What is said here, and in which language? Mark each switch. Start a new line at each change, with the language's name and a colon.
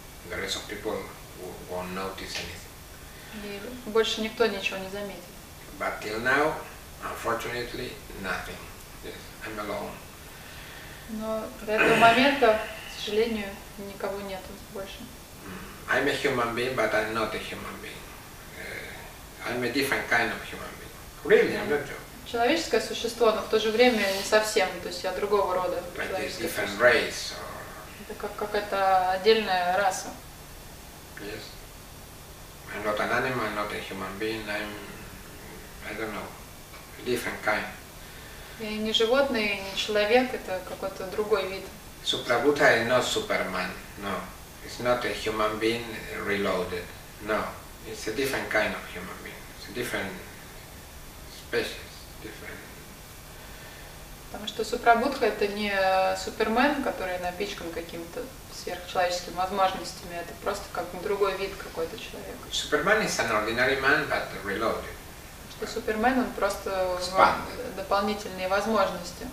English: The rest of people won't notice anything.
Russian: И больше никто ничего не заметит.
English: But till now, unfortunately, nothing. Yes, I'm alone.
Russian: Но до этого момента, к сожалению, никого нету больше.
English: I'm a human being, but I'm not a human being. I'm a different kind of human being. Really, I'm not joking.
Russian: Человеческое существо, но в то же время не совсем. То есть я другого рода.
English: Like it's different race.
Russian: Это как какая-то отдельная раса.
English: Yes. I'm not an animal, I'm not a human being, I'm, I don't know, a different kind.
Russian: Я не животное, не человек, это какой-то другой вид.
English: Supra-Buddha is not Superman, no. It's not a human being reloaded, no. It's a different kind of human being, it's a different species. different.
Russian: Потому что Супрабудха это не Супермен, который напичкан какими-то сверхчеловеческими возможностями, это просто как другой вид какой-то человека.
English: Superman is an ordinary man, but reloaded.
Russian: Что Супермен он просто дополнительные возможности.